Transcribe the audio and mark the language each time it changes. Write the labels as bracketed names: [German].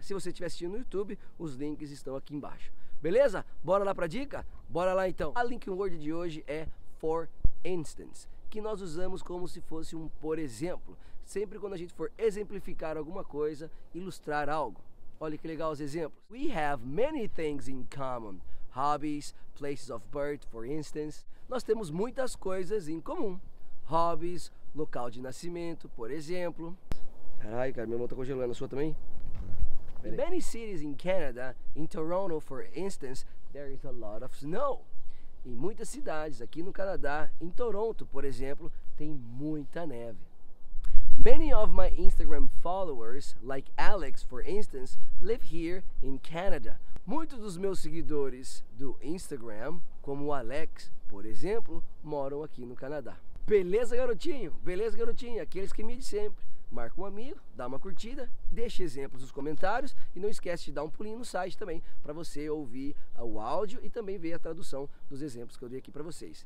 [Portuguese] Se você estiver assistindo no YouTube, os links estão aqui embaixo. Beleza? Bora lá para a dica? Bora lá então. A link word de hoje é for instance, que nós usamos como se fosse um por exemplo, sempre quando a gente for exemplificar alguma coisa, ilustrar algo. Olha que legal os exemplos. [English] We have many things in common, hobbies, places of birth, for instance. [Portuguese] Nós temos muitas coisas em comum, hobbies, local de nascimento, por exemplo. Caralho, cara, minha mão tá congelando, a sua também? [English] In many cities in Canada, in Toronto, for instance, there is a lot of snow. [Portuguese] Em muitas cidades aqui no Canadá, em Toronto, por exemplo, tem muita neve. [English] Many of my Instagram followers, like Alex, for instance, live here in Canada. [Portuguese] Muitos dos meus seguidores do Instagram, como o Alex, por exemplo, moram aqui no Canadá. Beleza, garotinho? Beleza, garotinha? Aqueles que me dizem sempre. Marca um amigo, dá uma curtida, deixe exemplos nos comentários e não esquece de dar um pulinho no site também para você ouvir o áudio e também ver a tradução dos exemplos que eu dei aqui para vocês.